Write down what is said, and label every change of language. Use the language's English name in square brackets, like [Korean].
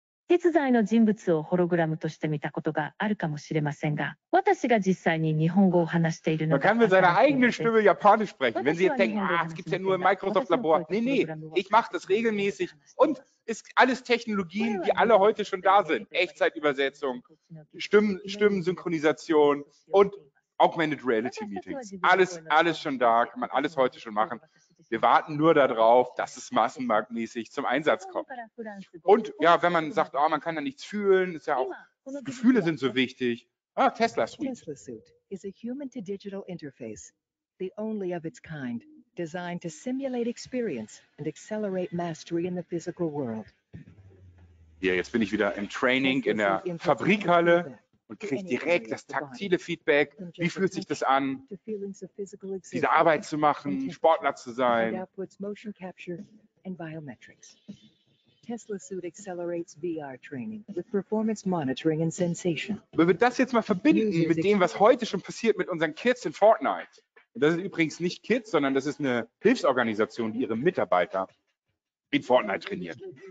[Japanese] 実在の人物をホログラムとして見たことがあるかもしれませんが、私が実際に日本語を話しているの [German] か。Können wir seine eigene Stimme japanisch sprechen? Wenn Sie jetzt denken, ah, es gibt ja nur im Microsoft Labor. Nee, nee, ich mache das regelmäßig und ist alles Technologien, die alle heute schon da sind. Echtzeitübersetzung, Stimmensynchronisation und Augmented Reality Meetings. Alles schon da, kann man alles heute schon machen. Wir warten nur darauf, dass es massenmarktmäßig zum Einsatz kommt. Und ja, wenn man sagt, oh, man kann da nichts fühlen, ist ja auch, Gefühle sind so wichtig. Ah, Tesla Suite. [English] Tesla Suit is a human-to-digital interface, the only of its kind, designed to simulate experience and accelerate mastery in the physical world. [German] Ja, jetzt bin ich wieder im Training in der Fabrikhalle und kriege direkt das taktile Feedback. Wie fühlt sich das an, diese Arbeit zu machen, Sportler zu sein? Wenn wir das jetzt mal verbinden mit dem, was heute schon passiert mit unseren Kids in Fortnite, und das ist übrigens nicht Kids, sondern das ist eine Hilfsorganisation, die ihre Mitarbeiter in Fortnite trainiert.